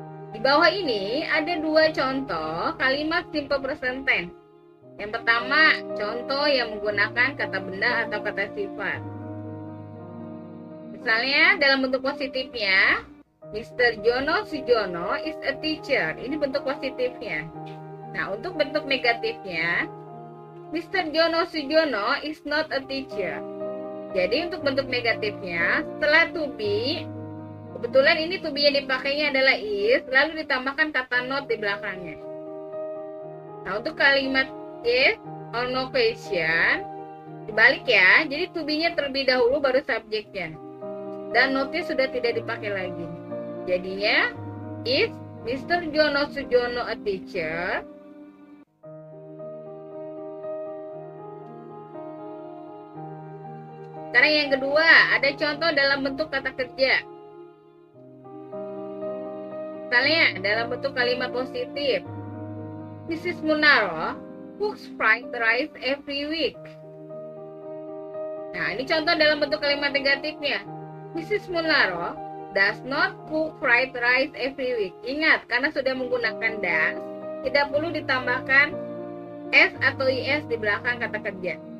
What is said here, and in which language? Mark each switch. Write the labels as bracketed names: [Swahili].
[Indonesian] Di bawah ini ada dua contoh kalimat simple present tense. Yang pertama, contoh yang menggunakan kata benda atau kata sifat. Misalnya, dalam bentuk positifnya, Mr. [English] Jono Sujono is a teacher. [Indonesian] Ini bentuk positifnya. Nah, untuk bentuk negatifnya, [English] Mr. Jono Sujono is not a teacher. [Indonesian] Jadi, untuk bentuk negatifnya, setelah to be, kebetulan ini to be yang dipakainya adalah is, lalu ditambahkan kata not di belakangnya. Nah, untuk kalimat yes or no question, dibalik ya, jadi to be-nya terlebih dahulu baru subjeknya. Dan notnya sudah tidak dipakai lagi. [English] Jadinya, is Mr. Jono Sujono a teacher? [Indonesian] Sekarang yang kedua, ada contoh dalam bentuk kata kerja. Misalnya, dalam bentuk kalimat positif. Mrs. [English] Munaro cooks fried rice every week. [Indonesian] Nah, ini contoh dalam bentuk kalimat negatifnya. [English] Mrs. Munaro does not cook fried rice every week. [Indonesian] Ingat, karena sudah menggunakan does, tidak perlu ditambahkan s atau is di belakang kata kerja.